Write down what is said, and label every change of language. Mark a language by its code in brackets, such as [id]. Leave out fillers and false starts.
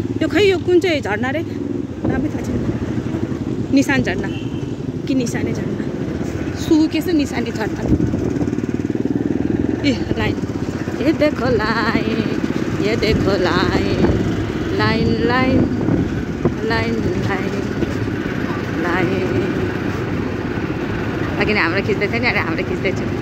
[ne] यो खै, यो कुन चाहिँ झर्ना रे, नामै थाहा छैन। निशान झर्ना कि निशाने झर्ना, सुकेछ निशानी झर्ना। [hi] ए लाइन, ए देखो लाइन, ये देखो line, line line line line line. [ne] अघि नै हाम्रो खिच्दै थियो नि, अहिले हाम्रो खिच्दैछ।